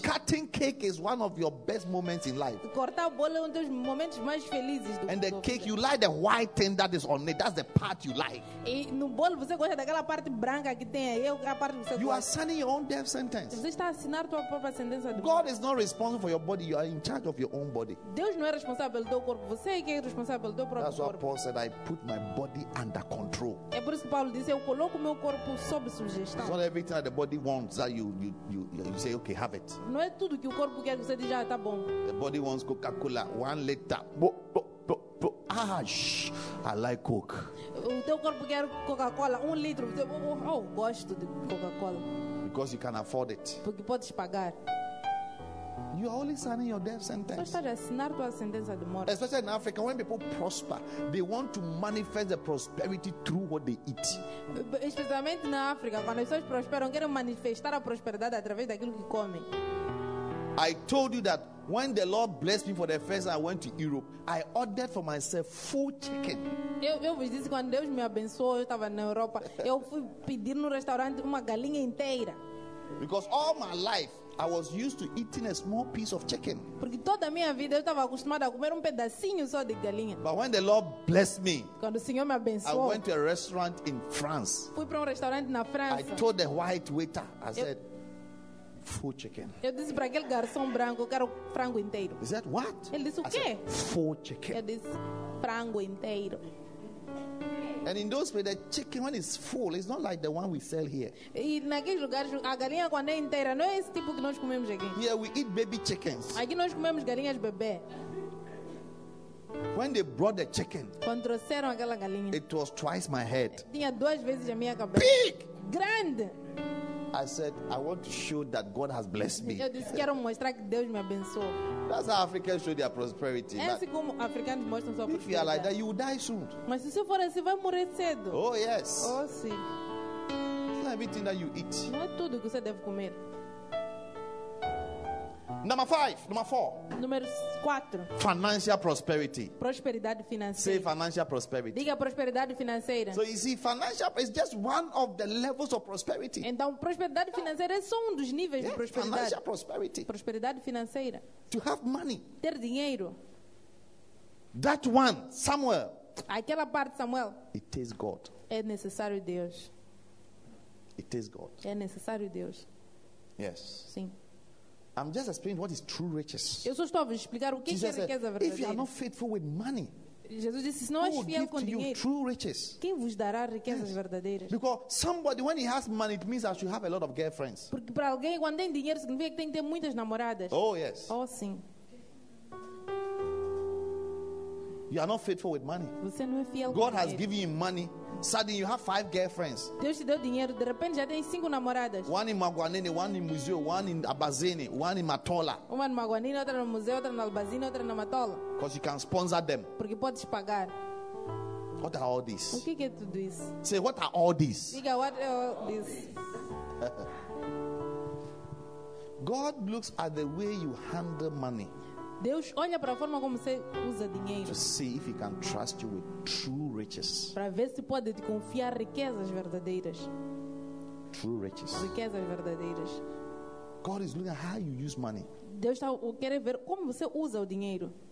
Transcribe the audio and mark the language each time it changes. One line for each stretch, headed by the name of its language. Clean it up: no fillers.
English: Cutting cake is one of your best moments in life.
Portuguese: Cortar bolo é um dos momentos mais felizes do
English: mundo. And the cake, you like the white thing that is on it. That's the part you like.
Portuguese: E no bolo você gosta daquela parte branca que tem aí, a parte que você gosta.
English: You are signing your own death sentence.
Portuguese: Você está assinando a própria sentença.
English: God is not responsible for your body. You are in charge of your own body.
Portuguese: Deus não é responsável pelo teu corpo. Você é que é responsável pelo teu próprio corpo.
English: That's why Paul said, I put my body under control.
Portuguese: É por isso que Paulo disse, eu coloco meu corpo sob sugestão.
English: It's not everything that the body wants that you say, okay, have.
Portuguese: Não é tudo que o corpo quer, você diz já tá bom.
English: The body wants Coca-Cola, 1 liter. Bo. Ah, I like Coke.
Portuguese: O teu corpo quer Coca-Cola, 1 litro. Oh, gosto de Coca-Cola.
English: Because you can afford it.
Portuguese: Porque podes pagar.
English: You are only signing your death sentence.
Portuguese: Só estás a assinar tua sentença de morte.
English: Especially in Africa, when people prosper, they want to manifest their prosperity through what they eat.
Portuguese: Especialmente na África, quando as pessoas prosperam, querem manifestar a prosperidade através daquilo que comem.
English: I told you that when the Lord blessed me for the first time I went to Europe, I ordered for myself full chicken.
Portuguese: Eu vos disse quando Deus me abençoou, eu estava na Europa, eu fui pedir no restaurante uma galinha inteira.
English: Because all my life I was used to eating a small piece of chicken.
Portuguese: Porque toda a minha vida eu estava acostumado a comer pedacinho só de galinha.
English: But when the Lord blessed me,
Portuguese: quando o Senhor me abençoou,
English: I went to a restaurant in France.
Portuguese: Fui para restaurante na França.
English: I told the white waiter, I said, full chicken.
Portuguese: Eu disse para aquele garçom branco, quero frango inteiro.
English: He said, what?
Portuguese: Ele disse o quê?
English: I said, full chicken.
Portuguese: Eu disse frango inteiro.
English: And in those places, the chicken when it's full, it's not like the one we sell here.
Portuguese: E naqueles lugares, a galinha quando é inteira, não é esse tipo que nós comemos aqui.
English: Here we eat baby chickens.
Portuguese: Aqui nós comemos galinhas bebê.
English: When they brought the chicken,
Portuguese: quando trouxeram aquela galinha,
English: it was twice my head.
Portuguese: Tinha duas vezes a minha cabeça.
English: Big,
Portuguese: grande.
English: I said, I want to show that God has blessed me.
Portuguese: Eu disse, quero mostrar que Deus me abençoou.
English: That's how Africans show their prosperity. If you are like that, you will die soon.
Portuguese: Mas se você for assim, vai morrer cedo.
English: Oh yes.
Portuguese: Oh sim.
English: It's not everything that you eat.
Portuguese: Não é tudo que você deve comer.
English: Number 5, number 4.
Portuguese: Número 4.
English: Financial prosperity.
Portuguese: Prosperidade financeira.
English: Say financial prosperity.
Portuguese: Diga prosperidade financeira.
English: So you see, financial is just one of the levels of prosperity.
Portuguese: Então, prosperidade financeira é só dos níveis de prosperidade.
English: Financial prosperity.
Portuguese: Prosperidade financeira.
English: To have money.
Portuguese: Ter dinheiro.
English: That one, Samuel.
Portuguese: Aquela parte, Samuel.
English: It is God.
Portuguese: É necessário Deus.
English: It is God.
Portuguese: É necessário Deus.
English: Yes.
Portuguese: Sim.
English: I'm just explaining what is true riches.
Portuguese: Eu só estou a explicar o que Jesus é a riqueza verdadeira. If you are not faithful with money, Jesus disse, se não és fiel com dinheiro,
English: true riches.
Portuguese: Quem vos dará riquezas
English: yes.
Portuguese: verdadeiras?
English: Because somebody when he has money, it means that you have a lot of girlfriends.
Portuguese: Porque para alguém quando tem dinheiro significa que tem que ter muitas namoradas.
English: Oh yes.
Portuguese: Oh sim.
English: You are not faithful with money.
Portuguese: Você não é fiel.
English: God has given you money. Suddenly you have 5 girlfriends.
Portuguese: Deus te deu dinheiro, de repente já tem 5 namoradas.
English: One in Maguanene, one in Museu, one in Abazene, one in Matola.
Portuguese: Uma em Maguanene, outra no Museu, outra na Abazene, outra na Matola.
English: Because you can sponsor them.
Portuguese: Porque podes pagar.
English: What are all these?
Portuguese: O que é tudo isso?
English: Say, what are all these?
Portuguese: Diga,
English: what are all these? God looks at the way you handle money.
Portuguese: Deus olha para a forma como você usa dinheiro.
English: To see if he can trust you with true riches.
Portuguese: Para ver se pode te confiar riquezas verdadeiras.
English: True riches.
Portuguese: Riquezas verdadeiras.
English: God is looking at how you use money.
Portuguese: Deus está quer ver como você usa o dinheiro.